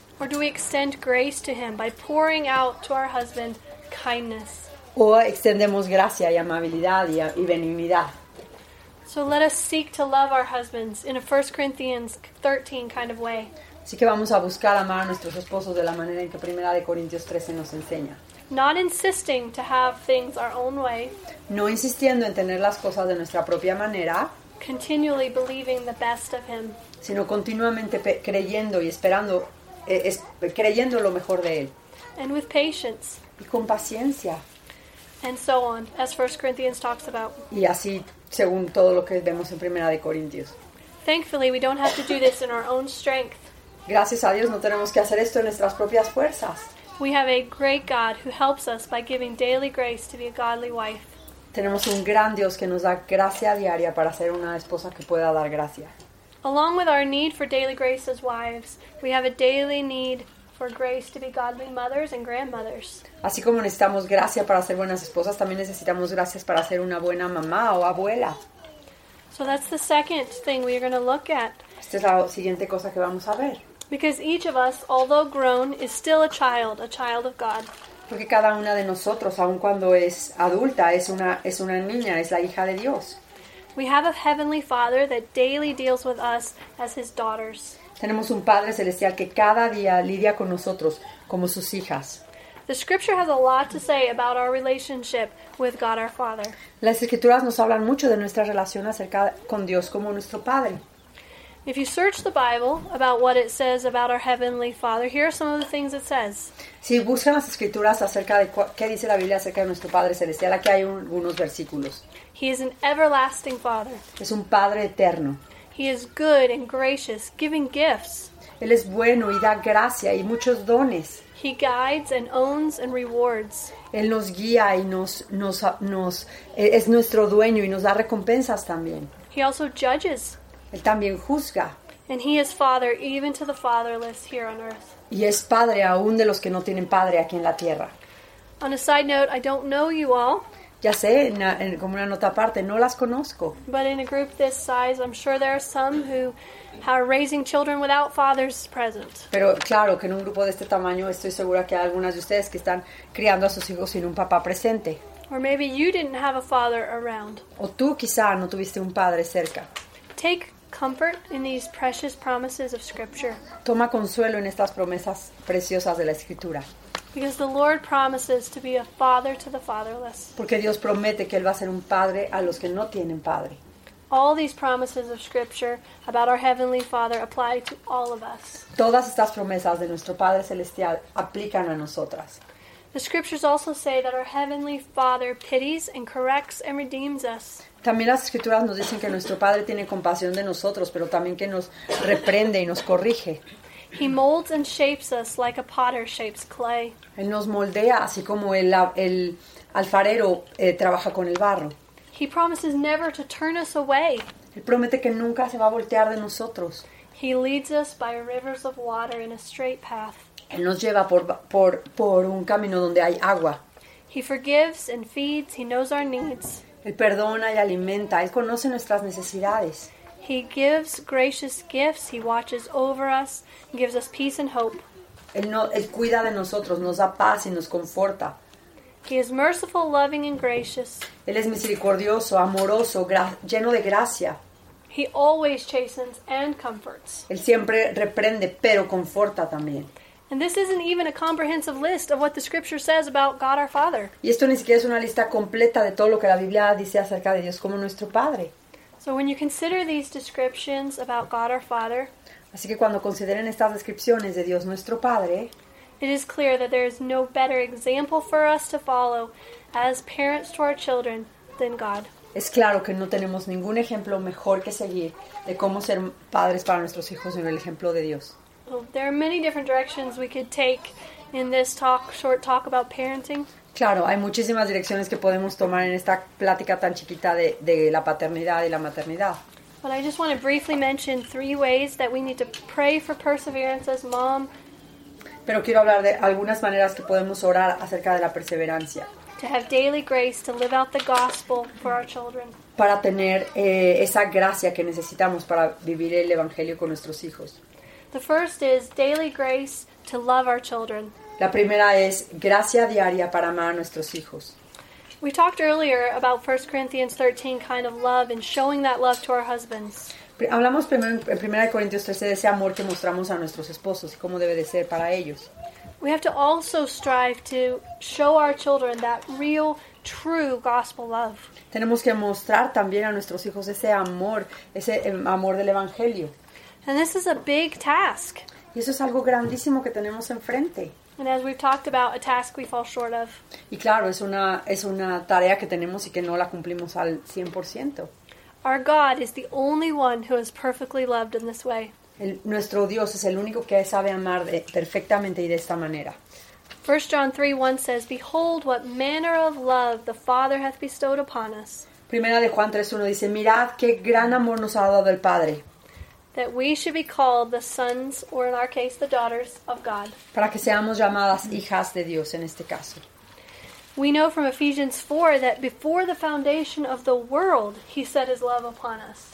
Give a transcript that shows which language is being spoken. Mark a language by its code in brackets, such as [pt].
[en] Or do we extend grace to him by pouring out to our husband kindness? [es] O extendemos gracia y amabilidad y benignidad. [en] So let us seek to love our husbands in a 1 Corinthians 13 kind of way. [es] Así que vamos a buscar amar a nuestros esposos de la manera en que 1 Corintios 13 nos enseña. [en] Not insisting to have things our own way. [es] No insistiendo en tener las cosas de nuestra propia manera. [en] Continually believing the best of him. [es] Sino continuamente creyendo y esperando, creyendo lo mejor de él. [en] And with patience. [es] Y con paciencia. [en] And so on, as 1 Corinthians talks about. [es] Y así, según todo lo que vemos en 1 Corintios. [en] Thankfully, we don't have to do this in our own strength. [es] Gracias a Dios no tenemos que hacer esto en nuestras propias fuerzas. [en] We have a great God who helps us by giving daily grace to be a godly wife. [es] Tenemos un gran Dios que nos da gracia diaria para ser una esposa que pueda dar gracia. [en] Along with our need for daily grace as wives, we have a daily need for grace to be godly mothers and grandmothers. [es] Así como necesitamos gracia para ser buenas esposas, también necesitamos gracias para ser una buena mamá o abuela. [en] So that's the second thing we're going to look at. [es] Esta es la siguiente cosa que vamos a ver. [en] Because each of us, although grown, is still a child of God. [es] Porque cada una de nosotros, aun cuando es adulta, es una niña, es la hija de Dios. [en] We have a heavenly Father that daily deals with us as his daughters. [es] Tenemos un Padre celestial que cada día lidia con nosotros como sus hijas. [en] The Scripture has a lot to say about our relationship with God our Father. [es] Las Escrituras nos hablan mucho de nuestra relación acerca con Dios como nuestro Padre. [en] If you search the Bible about what it says about our Heavenly Father, here are some of the things it says. [es] Si buscan las Escrituras acerca de qué dice la Biblia acerca de nuestro Padre Celestial, aquí hay algunos versículos. [en] He is an everlasting Father. [es] Es un Padre eterno. [en] He is good and gracious, giving gifts. [es] Él es bueno y da gracia y muchos dones. [en] He guides and owns and rewards. [es] Él nos guía y nos es nuestro dueño y nos da recompensas también. [en] He also judges. [es] Él también juzga. [en] And he is father even to the fatherless here on earth. [es] Y es padre aún de los que no tienen padre aquí en la tierra. [en] On a side note, I don't know you all. [es] Ya sé, como una nota aparte, no las conozco. [en] But in a group this size, I'm sure there are some who are raising children without fathers present. [es] Pero claro, que en un grupo de este tamaño, estoy segura que hay algunas de ustedes que están criando a sus hijos sin un papá presente. [en] Or maybe you didn't have a father around. [es] O tú quizá no tuviste un padre cerca. [en] Take comfort in these precious promises of Scripture. [es] Toma consuelo en estas promesas preciosas de la Escritura. [en] Because the Lord promises to be a father to the fatherless. [es] Porque Dios promete que Él va a ser un padre a los que no tienen padre. [en] All these promises of Scripture about our Heavenly Father apply to all of us. [es] Todas estas promesas de nuestro Padre Celestial aplican a nosotras. [en] The Scriptures also say that our Heavenly Father pities and corrects and redeems us. [es] También las Escrituras nos dicen que nuestro Padre tiene compasión de nosotros, pero también que nos reprende y nos corrige. [en] He molds and shapes us like a potter shapes clay. [es] Él nos moldea así como el alfarero trabaja con el barro. [en] He promises never to turn us away. [es] Él promete que nunca se va a voltear de nosotros. [en] He leads us by rivers of water in a straight path. [es] Él nos lleva por un camino donde hay agua. [en] He forgives and feeds. He knows our needs. [es] Él perdona y alimenta. Él conoce nuestras necesidades. [en] He gives gracious gifts. He watches over us and gives us peace and hope. [es] Él cuida de nosotros, nos da paz y nos conforta. [en] He is merciful, loving, and gracious. [es] Él es misericordioso, amoroso, lleno de gracia. [en] He always chastens and comforts. [es] Él siempre reprende, pero conforta también. [en] And this isn't even a comprehensive list of what the Scripture says about God our Father. [es] Y esto ni siquiera es una lista completa de todo lo que la Biblia dice acerca de Dios como nuestro Padre. [en] So when you consider these descriptions about God our Father, [es] así que cuando consideren estas descripciones de Dios nuestro Padre, [en] it is clear that there is no better example for us to follow as parents to our children than God. [es] Es claro que no tenemos ningún ejemplo mejor que seguir de cómo ser padres para nuestros hijos sino el ejemplo de Dios. [en] Well, there are many different directions we could take in this short talk about parenting. [es] Claro, hay muchísimas direcciones que podemos tomar en esta plática tan chiquita de la paternidad y la maternidad. [en] But I just want to briefly mention three ways that we need to pray for perseverance as mom. [es] Pero quiero hablar de algunas maneras que podemos orar acerca de la perseverancia. [en] To have daily grace to live out the gospel for our children. [es] Para tener esa gracia que necesitamos para vivir el evangelio con nuestros hijos. [en] The first is daily grace to love our children. [es] La primera es gracia diaria para amar a nuestros hijos. [en] We talked earlier about 1 Corinthians 13 kind of love and showing that love to our husbands. [es] Hablamos primero en 1 Corintios 13 de ese amor que mostramos a nuestros esposos y cómo debe de ser para ellos. [en] We have to also strive to show our children that real, true gospel love. [es] Tenemos que mostrar también a nuestros hijos ese amor del evangelio. [en] And this is a big task. [es] Y eso es algo grandísimo que tenemos enfrente. [en] And as we've talked about, a task we fall short of. [es] Y claro, es una tarea que tenemos y que no la cumplimos al 100%. [en] Our God is the only one who is perfectly loved in this way. [es] Nuestro Dios es el único que sabe amar perfectamente y de esta manera. [en] 1 John 3:1 says, "Behold, what manner of love the Father hath bestowed upon us." [es] Primera de Juan 3:1 dice, "Mirad qué gran amor nos ha dado el Padre." [en] That we should be called the sons, or in our case, the daughters of God. [es] Para que seamos llamadas hijas de Dios en este caso. [en] We know from Ephesians 4 that before the foundation of the world, He set His love upon us.